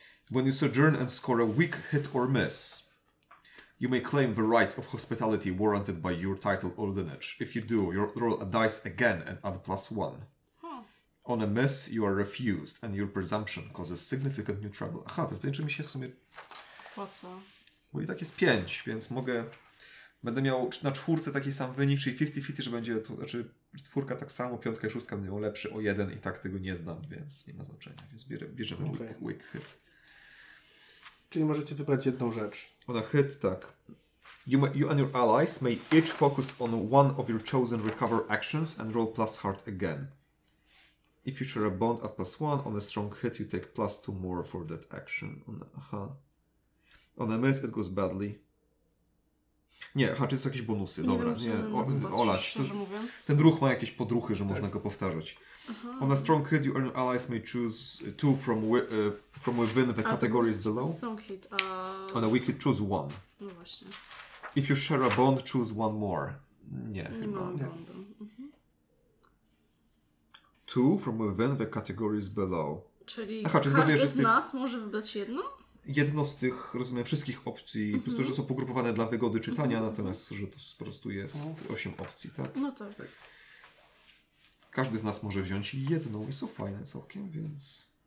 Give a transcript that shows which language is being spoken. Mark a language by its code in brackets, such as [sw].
[en] When you sojourn and score a weak hit or miss, you may claim the rights of hospitality warranted by your title or lineage. If you do, you roll a dice again and add plus 1. On a miss, you are refused, and your presumption causes significant new trouble. [pl] Aha, to zdaje mi się w sumie... Po co? Bo i tak jest 5, więc mogę... Będę miał na czwórce taki sam wynik, czyli 50-50, że będzie to... Znaczy, czwórka tak samo, piątka i szóstka będą lepsze o 1 i tak tego nie znam, więc nie ma znaczenia. Więc bierzemy weak hit. Czyli możecie wybrać jedną rzecz. [en] On a hit, [pl] tak. [en] You and your allies may each focus on one of your chosen recover actions and roll plus heart again. If you share a bond at plus one, on a strong hit you take plus two more for that action. Aha. On a miss it goes badly. [pl] Nie, ha, czy to są jakieś bonusy, dobra. Nie, wiem, nie. Olać. To, ten ruch ma jakieś podruchy, że tak. Można go powtarzać. Aha. [en] On a strong hit, your allies may choose two from within the categories below. Strong hit, On a weak hit, choose one. [pl] No właśnie. [en] If you share a bond, choose one more. [pl] Nie, nie chyba. Nie. [en] Two from within the categories below. [pl] Czyli aha, czy każdy z nas może wybrać jedno? Jedno z tych, rozumiem, wszystkich opcji, mm-hmm. po prostu, że są pogrupowane dla wygody czytania, mm-hmm. natomiast, że to po prostu jest 8 opcji, tak? No tak. Tak. Każdy z nas może wziąć jedną i są fajne całkiem, więc...